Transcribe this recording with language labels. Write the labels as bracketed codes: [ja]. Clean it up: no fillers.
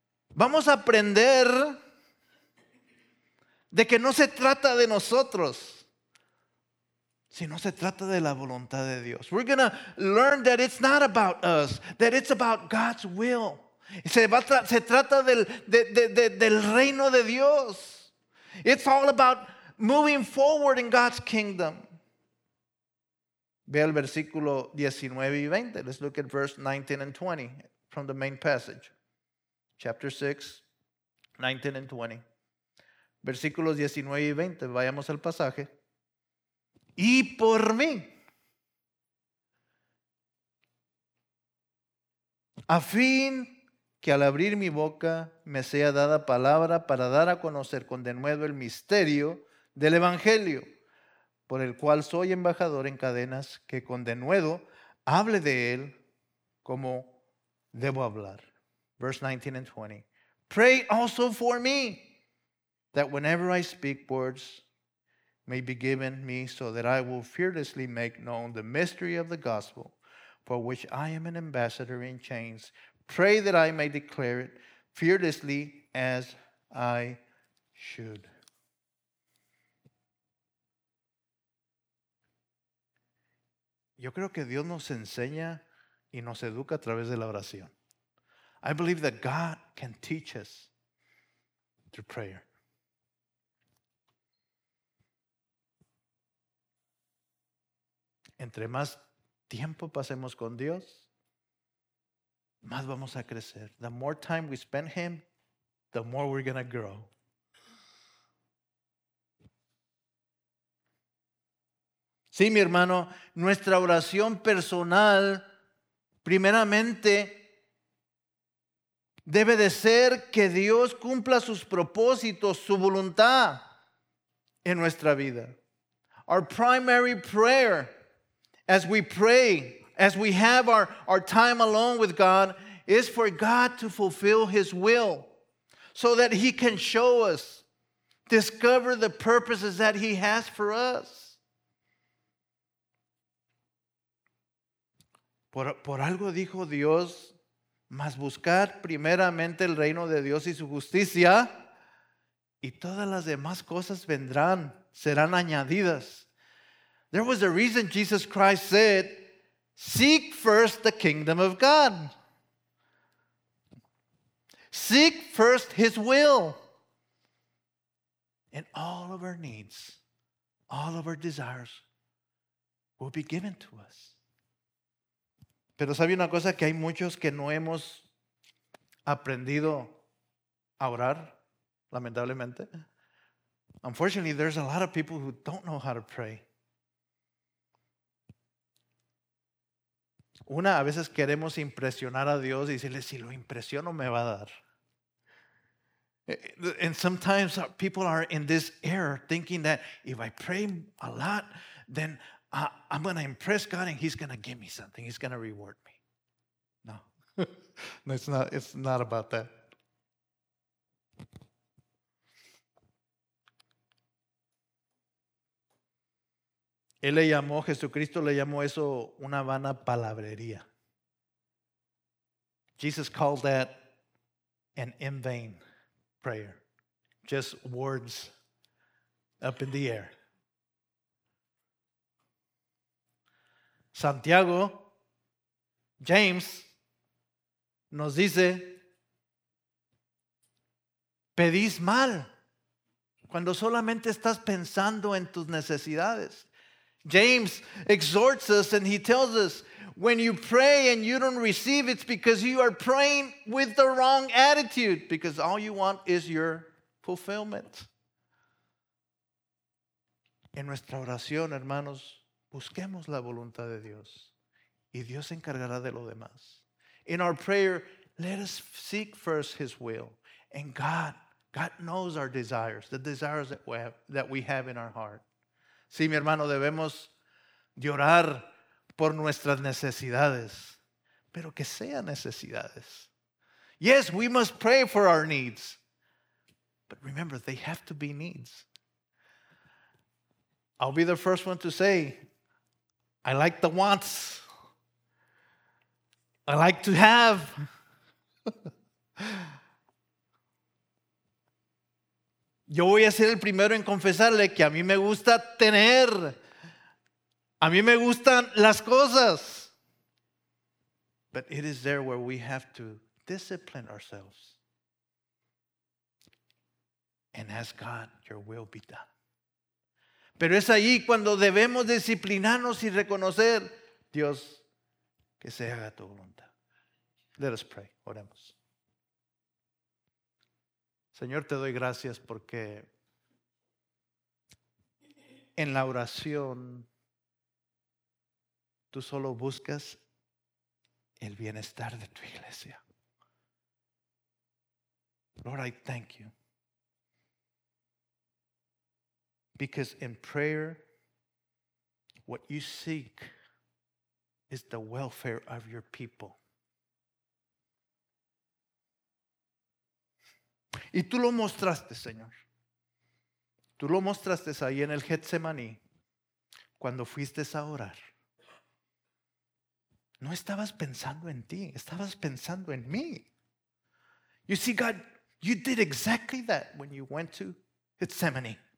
[es] Vamos a aprender de que no se trata de nosotros, sino se trata de la voluntad de Dios. [en] We're going to learn that it's not about us, that it's about God's will. [es] Se trata del reino de Dios. [en] It's all about moving forward in God's kingdom. [es] Ve el versículo 19 y 20. [en] Let's look at verse 19 and 20 from the main passage. Chapter 6, 19 and 20. [es] Versículos 19 y 20. Vayamos al pasaje. Y por mí, a fin que al abrir mi boca me sea dada palabra para dar a conocer con denuedo el misterio del Evangelio, por el cual soy embajador en cadenas, que con denuedo hable de él como debo hablar. [en] Verse 19 and 20. Pray also for me, that whenever I speak words may be given me, so that I will fearlessly make known the mystery of the gospel, for which I am an ambassador in chains. Pray that I may declare it fearlessly as I should. [es] Yo creo que Dios nos enseña y nos educa a través de la oración. [en] I believe that God can teach us through prayer. [es] Entre más tiempo pasemos con Dios, más vamos a crecer. [en] The more time we spend Him, the more we're going to grow. [es] Sí, mi hermano, nuestra oración personal, primeramente, debe de ser que Dios cumpla sus propósitos, su voluntad en nuestra vida. [en] Our primary prayer, as we pray, as we have our time alone with God, is for God to fulfill His will so that He can show us, discover the purposes that He has for us. [es] Por algo dijo Dios, mas buscar primeramente el reino de Dios y su justicia, y todas las demás cosas vendrán, serán añadidas. [en] There was a reason Jesus Christ said, seek first the kingdom of God. Seek first his will. And all of our needs, all of our desires will be given to us. [es] Pero sabe una cosa, que hay muchos que no hemos aprendido a orar, lamentablemente. [en] Unfortunately, there's a lot of people who don't know how to pray. [es] Una, a veces queremos impresionar a Dios y decirle, si lo impresiono, me va a dar. [en] And sometimes people are in this error thinking that if I pray a lot, then I'm going to impress God and he's going to give me something. He's going to reward me. No. No, it's not about that. [es] Él le llamó, Jesucristo le llamó eso una vana palabrería. [en] Jesus called that an in vain prayer. Just words up in the air. [es] Santiago, James, nos dice, pedís mal cuando solamente estás pensando en tus necesidades. [en] James exhorts us and he tells us, when you pray and you don't receive, it's because you are praying with the wrong attitude, because all you want is your fulfillment. [es] En nuestra oración, hermanos, busquemos la voluntad de Dios y Dios se encargará de lo demás. [en] In our prayer, let us seek first his will. And God knows our desires, the desires that we have in our heart. [es] Sí, mi hermano, debemos de orar por nuestras necesidades, pero que sean necesidades. [en] Yes, we must pray for our needs, but remember, they have to be needs. I'll be the first one to say, I like the wants. I like to have. [es] Yo voy a ser el primero en confesarle que a mí me gusta tener. A mí me gustan las cosas. [en] But it is there where we have to discipline ourselves and ask God, your will be done. [es] Pero es ahí cuando debemos disciplinarnos y reconocer, Dios, que se haga tu voluntad. [en] Let us pray. [es] Oremos. Señor, te doy gracias porque en la oración tú solo buscas el bienestar de tu iglesia. [en] Lord, I thank you. Because in prayer, what you seek is the welfare of your people. [es] Y tú lo mostraste, Señor. Tú lo mostraste ahí en el Getsemaní, cuando fuiste a orar. No estabas pensando en ti, estabas pensando en mí. [en] You see, God, you did exactly that when you went to Getsemaní.